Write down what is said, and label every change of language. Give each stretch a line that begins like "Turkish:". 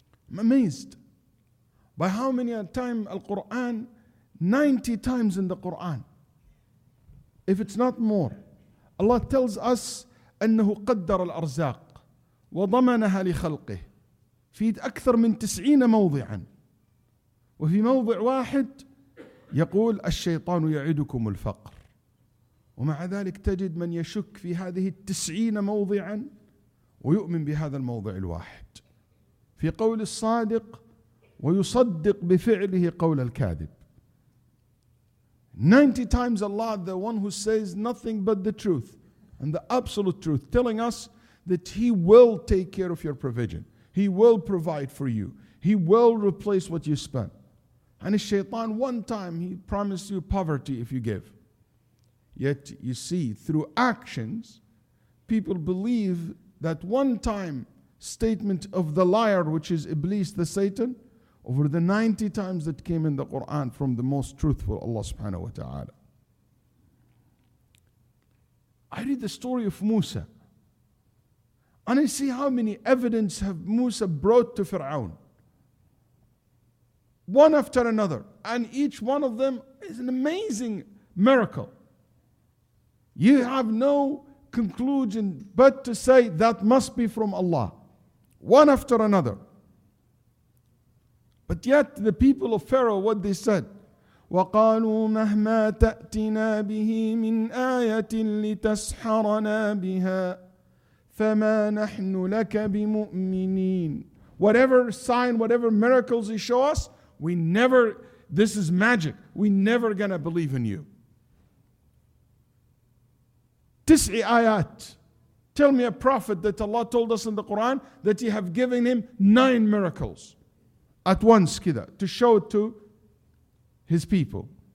English: I'm amazed by how many times Al-Quran, 90 times in the Quran, if it's not more, Allah tells us,
Arabic: أَنَّهُ قَدَّرَ الْأَرْزَاقِ وَضَمَنَهَا لِخَلْقِهِ فِي أَكْثَرْ مِنْ 90 مَوْضِعًا وَفِي مَوْضِعْ وَاحِدْ يقول الشيطان يعدكم الفقر. ومع ذلك تجد من يشك في هذه 90 موضعًا ويؤمن بهذا الموضع الواحد. في قول الصادق ويصدق بفعله قول الكاذب.
English: 90 times Allah, the one who says nothing but the truth and the absolute truth, telling us that he will take care of your provision. He will provide for you. He will replace what you spent. And his shaitan, one time he promised you poverty if you give. Yet you see, through actions, people believe that one time statement of the liar, which is Iblis, the Satan, over the 90 times that came in the Quran from the most truthful Allah subhanahu wa ta'ala. I read the story of Musa, and I see how many evidence have Musa brought to Fir'aun. one after another. And each one of them is an amazing miracle. You have no conclusion but to say that must be from Allah. One after another. But yet the people of Pharaoh, what they said,
Arabic: وَقَالُوا مَهْمَا تَأْتِنَا بِهِ مِنْ آيَةٍ لِتَسْحَرَنَا بِهَا فَمَا نَحْنُ لَكَ بِمُؤْمِنِينَ.
English: Whatever sign, whatever miracles you show us, this is magic. We never gonna believe in you.
Arabic: تسعي آيات.
English: Tell me a prophet that Allah told us in the Quran that He have given him 9 miracles at once, kida, to show it to His people.